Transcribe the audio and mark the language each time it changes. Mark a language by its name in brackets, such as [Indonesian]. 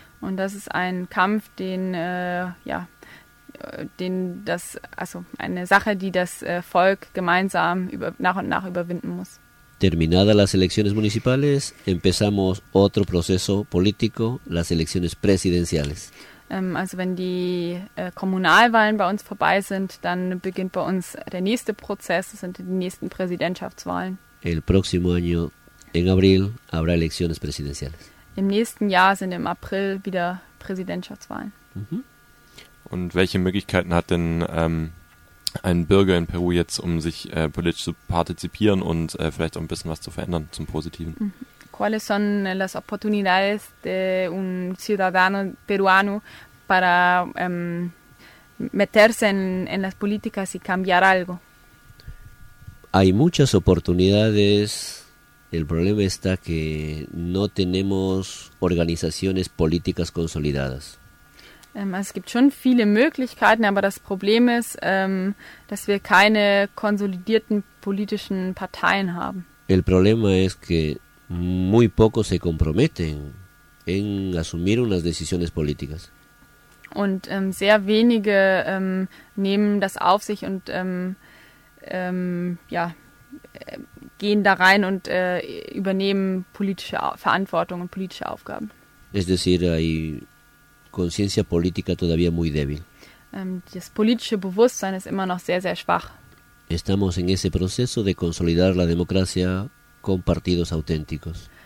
[German] Und das ist ein Kampf, eine Sache, die das Volk gemeinsam nach und nach überwinden muss. [Spanish] Terminadas las elecciones municipales, empezamos otro proceso político, las elecciones presidenciales. [German] Also wenn die Kommunalwahlen bei uns vorbei sind, dann beginnt bei uns der nächste Prozess, das sind die nächsten Präsidentschaftswahlen. [Spanish] El próximo año, en abril, habrá elecciones presidenciales. [German] Im nächsten Jahr sind im April wieder Präsidentschaftswahlen. Mhm. Und welche Möglichkeiten hat denn ein Bürger in Peru jetzt, um sich politisch zu partizipieren und vielleicht auch ein bisschen was zu verändern zum Positiven? [Spanish] ¿Cuáles son las oportunidades de un ciudadano peruano para meterse en las políticas y cambiar algo? Hay muchas oportunidades. El problema está que no tenemos organizaciones políticas consolidadas. [German] Es gibt schon viele Möglichkeiten, aber das Problem ist, dass wir keine konsolidierten politischen Parteien haben. [Spanish] El problema es que muy pocos se comprometen en asumir unas decisiones políticas. [German] Und sehr wenige nehmen das auf sich und gehen da rein und übernehmen politische Verantwortung und politische Aufgaben. [Spanish] Es decir, hay conciencia política todavía muy débil. [German] Das politische Bewusstsein ist immer noch sehr, sehr schwach. [Spanish] Estamos en ese proceso de consolidar la democracia con partidos auténticos.